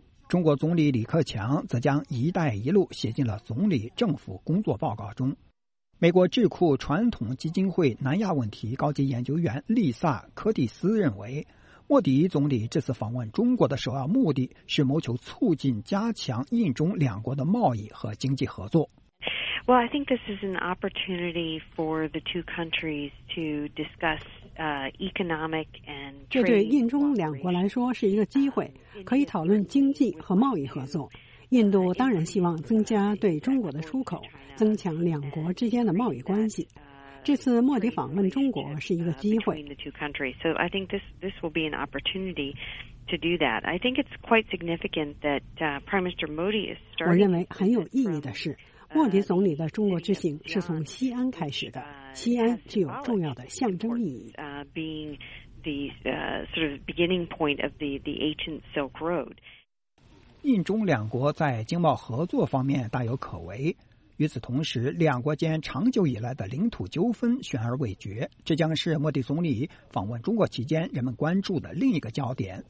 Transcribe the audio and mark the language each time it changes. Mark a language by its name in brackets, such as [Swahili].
[Chinese] 中国总理李克强则将一带一路写进了总理政府工作报告中。美国智库传统基金会南亚问题高级研究员丽萨·柯蒂斯认为，莫迪总理这次访问中国的首要目的是谋求促进加强印中两国的贸易和经济合作。 [English] Well, I think this is an opportunity for the two countries to discuss economic and trade. [Chinese] 这对印中两国来说是一个机会，可以讨论经济和贸易合作。印度当然希望增加对中国的出口，增强两国之间的贸易关系。这次莫迪访问中国是一个机会。 [English] So I think this will be an opportunity to do that. I think it's quite significant that Prime Minister Modi is starting. [Chinese] 我认为很有意义的是，莫迪总理的中国之行是从西安开始的，西安具有重要的象征意义。印中两国在经贸合作方面大有可为，与此同时，两国间长久以来的领土纠纷悬而未决，这将是莫迪总理访问中国期间人们关注的另一个焦点。